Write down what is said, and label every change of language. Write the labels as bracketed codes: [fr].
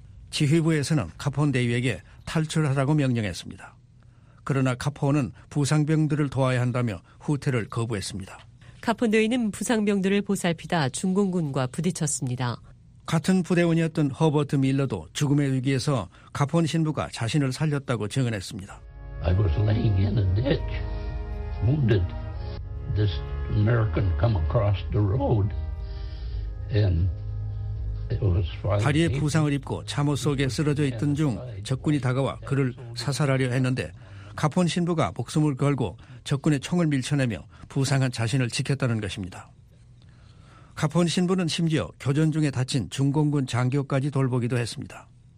[ko] 지휘부에서는 카폰 대위에게 탈출하라고 명령했습니다. 그러나 카폰은 부상병들을 도와야 한다며 후퇴를 거부했습니다. 카폰 대위는 부상병들을 보살피다 중공군과 부딪혔습니다. 같은 부대원이었던 허버트 밀러도 죽음의 위기에서 카폰 신부가 자신을 살렸다고 증언했습니다. [en] I was laying in a ditch, wounded. This American come across the road and it was fine. [ko] 다리에 부상을 입고 참호 속에 쓰러져 있던 중 적군이 다가와 그를 사살하려 했는데 카폰 신부가 목숨을 걸고 적군의 총을 밀쳐내며 부상한 자신을 지켰다는 것입니다. 카폰 신부는 심지어 교전 중에 다친 중공군 장교까지 돌보기도 했습니다.